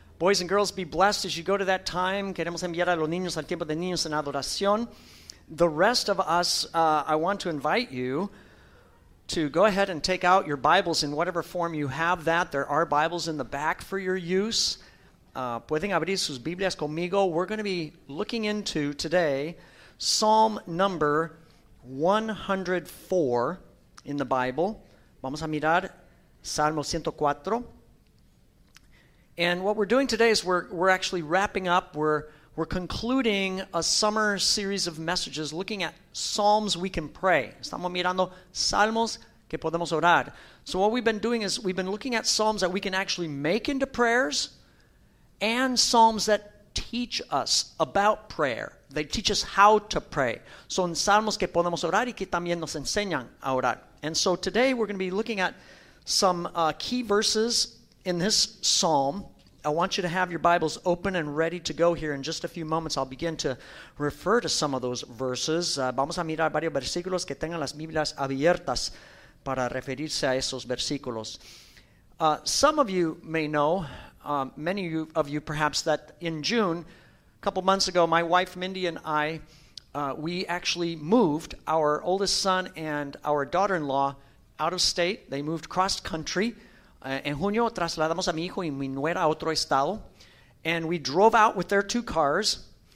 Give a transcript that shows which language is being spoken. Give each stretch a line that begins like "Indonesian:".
English: Boys and girls, be blessed as you go to that time.
Spanish: Queremos enviar a los niños al tiempo de niños en adoración.
English: The rest of us, I want to invite you to go ahead and take out your Bibles in whatever form you have that. There are Bibles in the back for your use.
Spanish: Pueden abrir sus Biblias conmigo.
English: We're going to be looking into today Psalm number 104 in the Bible.
Spanish: Vamos a mirar Salmo 104.
English: And what we're doing today is we're actually wrapping up. We're concluding a summer series of messages looking at psalms we can pray.
Spanish: Estamos mirando salmos que podemos orar.
English: So what we've been doing is we've been looking at psalms that we can actually make into prayers and psalms that teach us about prayer. They teach us how to pray.
Spanish: Son salmos que podemos orar y que también nos enseñan a orar.
English: And so today we're going to be looking at some key verses in this psalm. I want you to have your Bibles open and ready to go here. In just a few moments, I'll begin to refer to some of those verses.
Spanish: Vamos a mirar varios versículos que tengan las Biblias abiertas para referirse a esos versículos.
English: Some of you may know, many of you perhaps, that in June, a couple months ago, my wife Mindy and I, we actually moved our oldest son and our daughter-in-law out of state. They moved cross-country.
Spanish: En junio trasladamos a mi hijo y mi nuera a otro estado,
English: and we drove out with their two cars.